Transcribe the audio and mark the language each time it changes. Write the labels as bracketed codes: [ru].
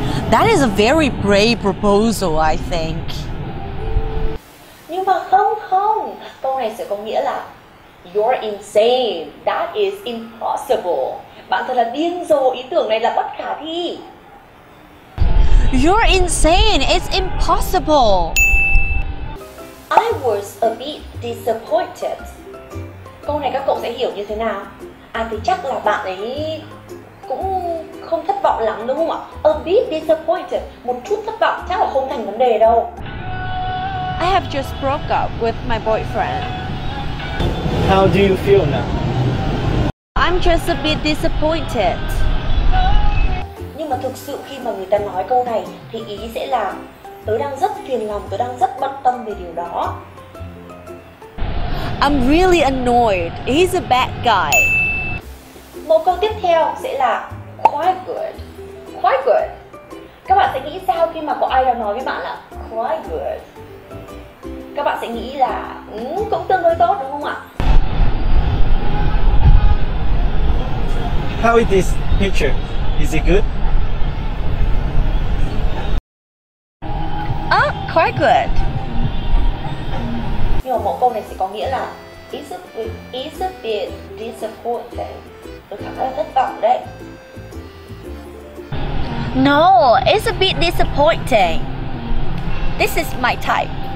[en] That is a very brave proposal, I think. [vi] Nhưng mà không không, câu này sẽ có nghĩa là [en] you're insane, that is impossible. [vi] Bạn thật là điên rồi, ý tưởng này là bất khả thi. [en] You're insane, it's impossible. I was a bit disappointed. [vi] Câu này các cậu sẽ hiểu như thế nào? À thì chắc là bạn ấy cũng không thất vọng lắm, đúng không ạ? [en] A bit disappointed, [vi] một chút thất vọng chắc là không thành vấn đề đâu. [en] I have just broke up with my boyfriend. How do you feel now? I'm just a bit disappointed. [vi] Nhưng mà thực sự khi mà người ta nói câu này thì ý sẽ là tớ đang rất phiền lòng, tớ đang rất bận tâm về điều đó. [en] I'm really annoyed. He's a bad guy. [vi] Một câu tiếp theo sẽ là [en] quite good. Quite good. [vi] Các bạn sẽ nghĩ sao khi mà có ai đó nói với bạn là [en] quite good? [vi] Các bạn sẽ nghĩ là cũng tương đối tốt, đúng không ạ? [en] How is this picture? Is it good? Quite good. [vi] Nhưng mà mẫu câu này sẽ có nghĩa là [en] It's a bit disappointed. [vi] Tôi khá là thất vọng đấy. [en] No, it's a bit disappointing. This is my type.